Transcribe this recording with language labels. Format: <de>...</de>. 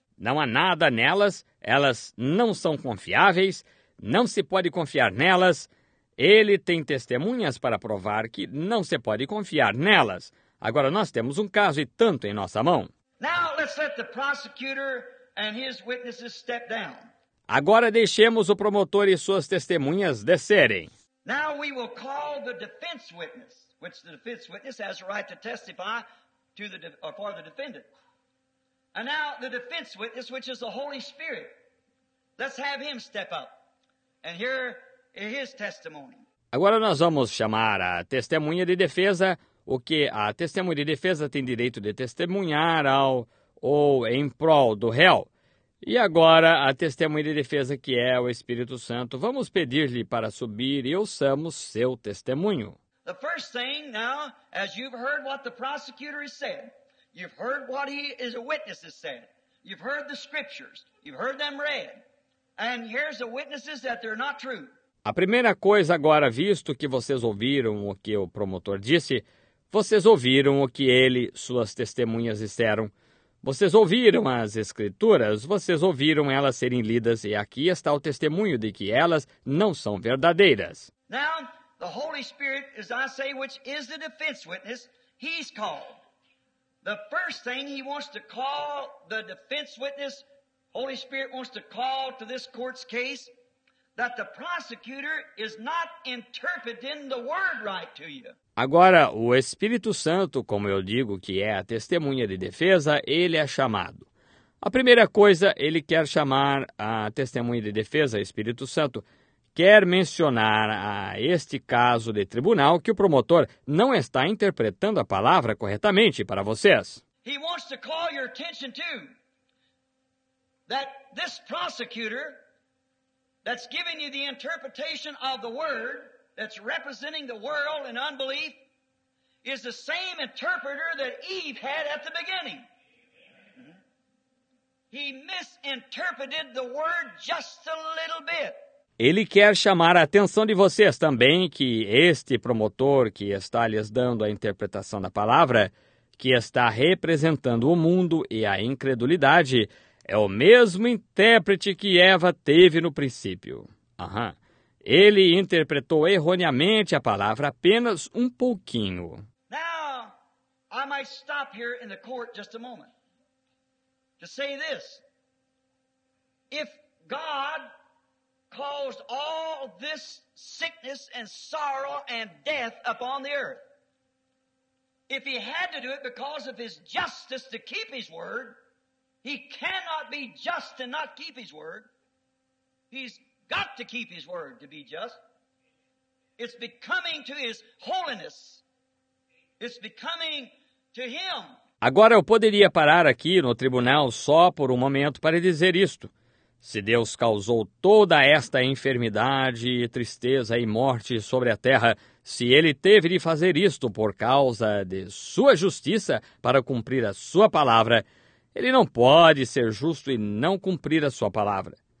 <pt>Não há nada nelas. Elas não são confiáveis. Não se pode confiar nelas. Ele tem testemunhas para provar que não se pode confiar nelas. Agora nós temos um caso e tanto em nossa mão.</pt> <en>Now let's let the prosecutor and his witnesses step down.</en> <pt>Agora deixemos o promotor e suas testemunhas descerem.</pt> <en>Now we will call the defense witness, which the defense witness has a right to testify to the for the defendant. And now the defense witness, which is the Holy Spirit, let's have him step up and hear his testimony.</en> <pt>Agora nós vamos chamar a testemunha de defesa, o que a testemunha de defesa tem direito de testemunhar ao ou em prol do réu. E agora, a testemunha de defesa que é o Espírito Santo, vamos pedir-lhe para subir e ouçamos seu testemunho.</pt> <en>The first thing now, as you've heard what the prosecutor has said, you've heard what he is a witness has said, you've heard the scriptures, you've heard them read, and here's the witnesses that they're not true.</en> <pt>A primeira coisa agora, visto que vocês ouviram o que o promotor disse, vocês ouviram o que ele, suas testemunhas disseram. Vocês ouviram as escrituras, vocês ouviram elas serem lidas, e aqui está o testemunho de que elas não são verdadeiras.</pt> <en>Now, the Holy Spirit, as I say, which is the defense witness, he's called. The first thing he wants to call the defense witness, Holy Spirit wants to call to this court's case, that the prosecutor is not interpreting the word right to you.</en> <pt>Agora, o Espírito Santo, como eu digo, que é a testemunha de defesa, ele é chamado. A primeira coisa, ele quer chamar a testemunha de defesa, Espírito Santo, quer mencionar a este caso de tribunal que o promotor não está interpretando a palavra corretamente para vocês.</pt> <en>He wants to call your attention to that this prosecutor that's giving you the interpretation of the word that's representing the world in unbelief is the same interpreter that Eve had at the beginning. He misinterpreted the word just a little bit.</en> <pt>Ele quer chamar a atenção de vocês também que este promotor que está lhes dando a interpretação da palavra, que está representando o mundo e a incredulidade, é o mesmo intérprete que Eva teve no princípio. Aham. Ele interpretou erroneamente a palavra apenas um pouquinho.</pt> <en>Now, I might stop here in the court just a moment to say this. If God caused all this sickness and sorrow and death upon the earth. If he had to do it because of his justice to keep his word, he cannot be just to not keep his word. He's got to keep his word to be just. It's becoming to his holiness. It's becoming to him.</en> <pt>Agora eu poderia parar aqui no tribunal só por um momento para dizer isto. Se Deus causou toda esta enfermidade, tristeza e morte sobre a terra, se ele teve de fazer isto por causa de sua justiça para cumprir a sua palavra, ele não pode ser justo e não cumprir a sua palavra.</pt>